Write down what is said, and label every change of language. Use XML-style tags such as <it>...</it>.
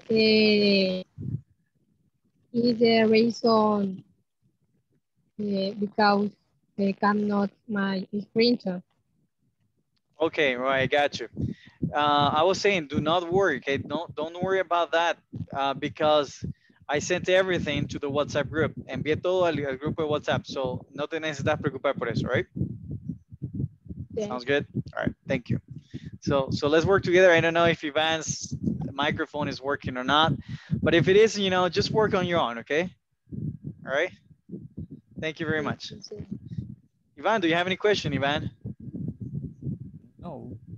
<en>Yes, is the reason because they cannot my printer. Okay, right, I got you. I was saying, do not worry, okay? Don't worry about that because I sent everything to the WhatsApp group.</en> <es>Envié todo al grupo de WhatsApp, so no te necesitas preocupar por eso, right?</es> <en>Yeah. Sounds good? All right, thank you. So let's work together. I don't know if Ivan's microphone is working or not, but if it is, you know, just work on your own, okay? All right? Thank you very much. Ivan, do you have any question, Ivan? No.</en>